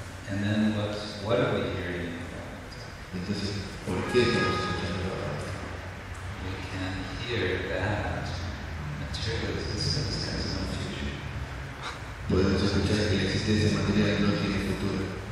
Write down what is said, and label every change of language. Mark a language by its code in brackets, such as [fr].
[en] And then what are we hearing in the Bhagavatam? [es] ¿Por qué estamos escuchando la palabra? [en] We can hear that material existence has no future. [es] Podemos escuchar que la existencia material no tiene futuro.